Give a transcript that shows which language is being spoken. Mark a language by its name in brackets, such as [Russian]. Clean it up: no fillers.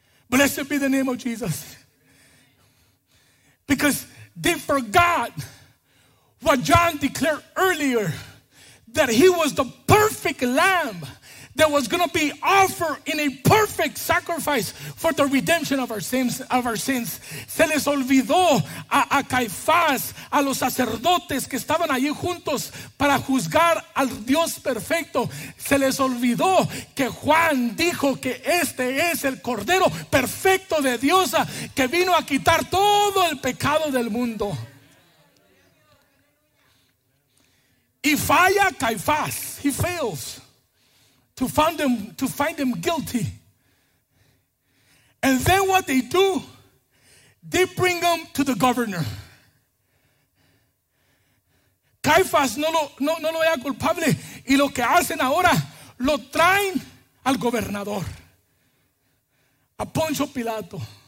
[English] Blessed be the name of Jesus. Because they forgot what John declared earlier, that he was the perfect lamb that was going to be offered in a perfect sacrifice for the redemption of our sins. [Spanish] Se les olvidó a Caifás, a los sacerdotes que estaban allí juntos para juzgar al Dios perfecto. Se les olvidó que Juan dijo que este es el Cordero perfecto de Dios que vino a quitar todo el pecado del mundo. Y falla Caifás. [English] He fails to find them guilty. And then what they do, they bring them to the governor. [Spanish] Caifás no lo era culpable, y lo que hacen ahora, lo traen al gobernador, a Poncio Pilato.